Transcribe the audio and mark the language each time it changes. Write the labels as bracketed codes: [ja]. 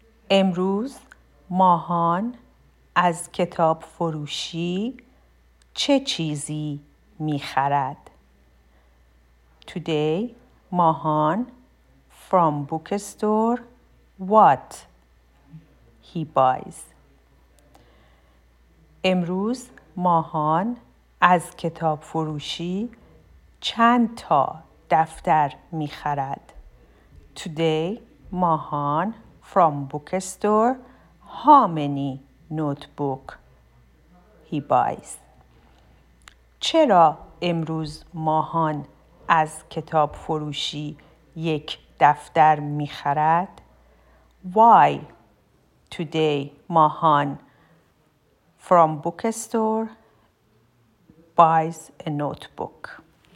[fa] امروز ماهان از کتاب فروشی چه چیزی می خرد؟ [en] Today Mahan from bookstore what he buys. [fa] امروز ماهان از کتاب فروشی چند تا دفتر می خرد. [en] Today Mahan from bookstore how many notebook he buys. [fa] چرا امروز ماهان از کتاب فروشی یک دفتر می خرد؟ [en] Why today Mahan from bookstore buys a notebook.